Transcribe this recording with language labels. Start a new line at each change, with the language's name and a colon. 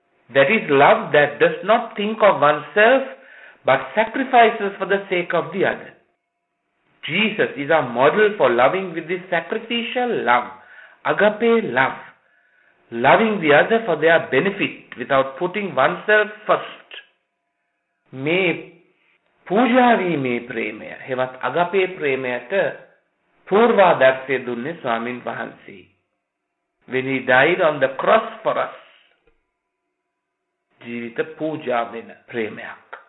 English: That is love that does not think of oneself but sacrifices for the sake of the other. Jesus is our model for loving with this sacrificial love, agape love, loving the other for their benefit without putting oneself first.
Sinhala: මේ පූජාවීමේ ප්‍රේමය හෙවත් අගපේ ප්‍රේමයට පූර්වාදර්ශය දුන්නේ ස්වාමින් වහන්සේ.
English: When he died on the cross for us,
Sinhala: ජීවිත පූජා වෙන ප්‍රේමයක්.